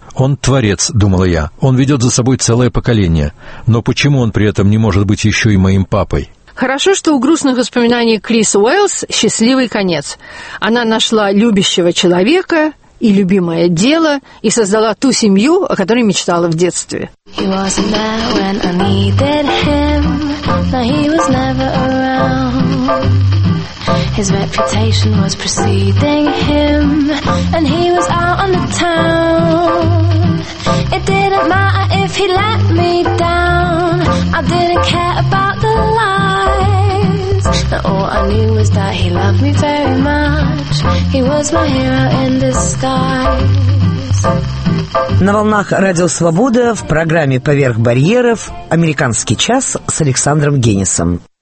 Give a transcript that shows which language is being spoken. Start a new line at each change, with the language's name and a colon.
Russian: «Он творец, — думала я, — он ведет за собой целое поколение. Но почему он при этом не может быть еще и моим папой?» Хорошо, что у грустных воспоминаний Крис Уэллс счастливый конец. Она нашла любящего человека и любимое дело и создала ту семью, о которой мечтала в детстве.
English: He wasn't there when I needed him. No, he was never around. His reputation was preceding him, and he was out on the town. It didn't matter if he let me down. I didn't care about the lies. Now all I knew was that he loved me very much. He was my hero in disguise.
Russian: На волнах Радио Свобода в программе «Поверх барьеров» американский час с Александром Генисом.